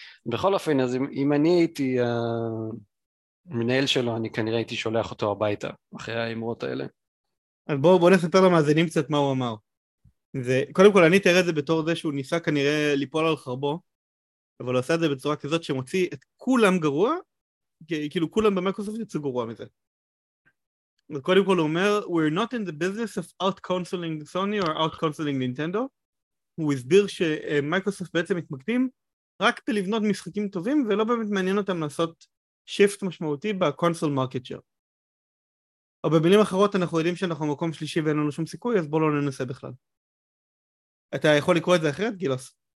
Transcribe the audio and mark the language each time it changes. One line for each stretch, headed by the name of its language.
Hebrew: בכל אופן, אז אם אני הייתי המנהל שלו, אני כנראה הייתי שולח אותו הביתה, אחרי האמרות האלה. אז בואו נספר למאזינים קצת מה הוא אמר. זה, קודם כל, אני תראה את זה בתור זה שהוא ניסה כנראה ליפול על חרבו, אבל הוא עשה את זה בצורה כזאת שמוציא את כולם גרוע, כאילו כולם במייקרוסופט יצא גרוע מזה.
English: אז קודם כל הוא אומר, we're not in the business of out-counseling Sony or out-counseling Nintendo.
Hebrew: הוא הסביר שמייקרוסופט בעצם מתמקדים רק בלבנות משחקים טובים, ולא באמת מעניין אותם לעשות שיפט משמעותי בקונסול מרקט שייר. או במילים אחרות, אנחנו יודעים שאנחנו מקום שלישי ואין לנו שום סיכוי, אז בואו לא ננסה בכלל. אתה יכול לקרוא את זה אחרת, גילוס?